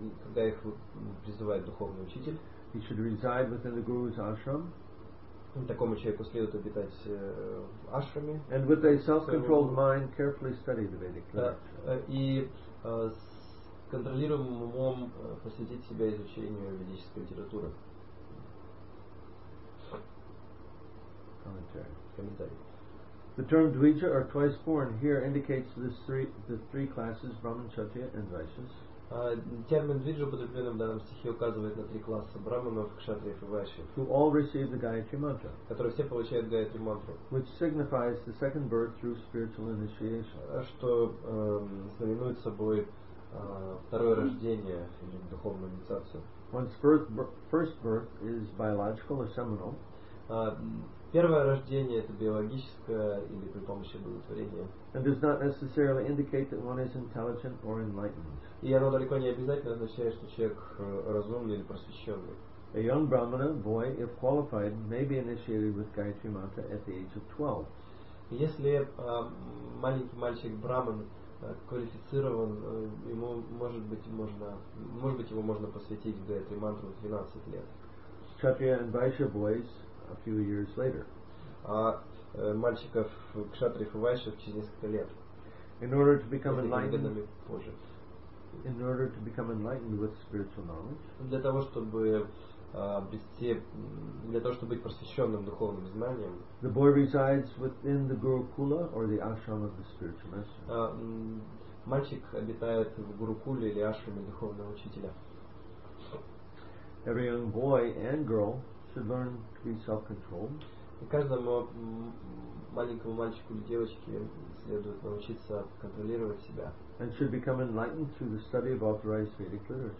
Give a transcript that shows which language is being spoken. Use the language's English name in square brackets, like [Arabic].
[Russian] когда их призывает духовный учитель, [English] he should reside within the guru's ashram. [Russian] Такому человеку следует обитать в ашраме. [English] And with a self-controlled mind, carefully study the Vedic literature. [Russian] И с контролируемым умом посвятить себя изучению ведической литературы. Комментарий. [English] The term dvija or twice born here indicates the three classes Brahman, Kshatriya and Vaishyas. [Russian] Термин «виджа» употребленный в данном стихе указывает на три класса браманов, кшатриев и вайшьев, [English] who all receive the Gayatri mantra, [Russian] которые все получают Гайатри мантру, [English] which signifies the second birth through spiritual initiation, [Russian] что знаменует собой второе рождение или духовную инициацию. [English] One's first birth is biological or seminal. [Russian] Первое рождение — это биологическое или при помощи благотворения. [English] And does not necessarily indicate that one is intelligent or enlightened. [Russian] И оно далеко не обязательно означает, что человек разумный или просвещенный. [English] A young brahmana, boy, if qualified, may be initiated with Gayatri mantra at the age of 12. [Russian] Если маленький мальчик браман квалифицирован, ему может быть его можно посвятить Гайатри мантру в 12 лет. [English] Kshatriya and Vaishya boys a few years later. [Russian] А мальчиков кшатриев и вайшев через несколько лет. [English] In order to become enlightened. In order to become enlightened with spiritual knowledge. [Russian] Для того чтобы обрести, для того чтобы быть просвещенным духовным знанием. [English] The boy resides within the Gurukula or the ashram of the spiritual master. [Russian] Мальчик обитает в Гурукуле или ашраме духовного учителя. [English] Every young boy and girl should learn to be self-controlled. [Russian] И каждому маленькому мальчику или девочке следует научиться контролировать себя. [English] And should become enlightened through the study of authorized Vedic literature.